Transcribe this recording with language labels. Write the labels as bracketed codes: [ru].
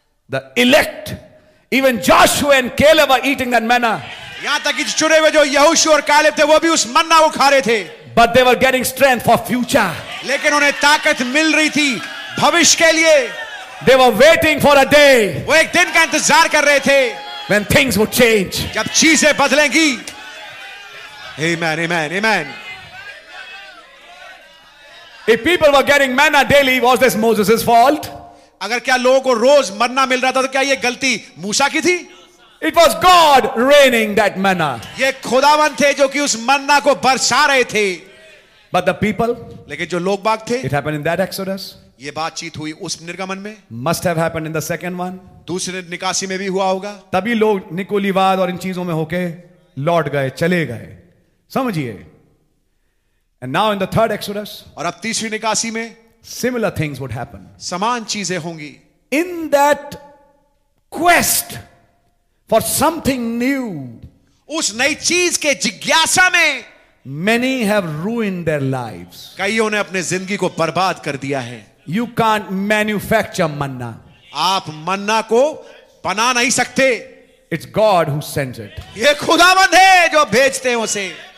[en] The elect, even Joshua and Caleb are eating that manna. [hi] यहां तक कि चुने हुए जो यहोशू और कालेब थे वो भी उस मन्ना को खा रहे थे. [en] But they were getting strength for future. [hi] लेकिन उन्हें ताकत मिल रही थी भविष्य के लिए. [en] They were waiting for a day. [hi] वो एक दिन का इंतजार कर रहे थे. [en] When things would change. [hi] जब चीजें बदलेंगी. [en] Amen, amen, amen. If people were getting manna daily, was this Moses' fault? [hi] अगर क्या लोगों को रोज मरना मिल रहा था तो क्या ये गलती मूसा की थी? [en] It was God raining that manna. [hi] ये खुदावन थे जो कि उस मन्ना को बरसा रहे थे. [en] But the people, [hi] लेकिन जो लोग बाग थे, [en] it happened in that Exodus. [hi] ये बातचीत हुई उस निर्गमन में. [en] Must have happened in the second one. [hi] दूसरे निकासी में भी हुआ होगा. तभी लोग निकोलीवाद और इन चीजों में होके लौट गए, चले गए. समझिए. [en] And now in the third Exodus, [hi] और अब तीसरी निकासी में [en] similar things would happen. [hi] समान चीजें होंगी. [en] In that quest for something new, [hi] उस नई चीज के जिज्ञासा में [en] many have ruined their lives. [hi] कईयों ने अपने जिंदगी को बर्बाद कर दिया है. [en] You can't manufacture manna. [hi] आप मन्ना को बना नहीं सकते. [en] It's God who sends it. [hi] ये खुदावंद है जो भेजते हैं उसे.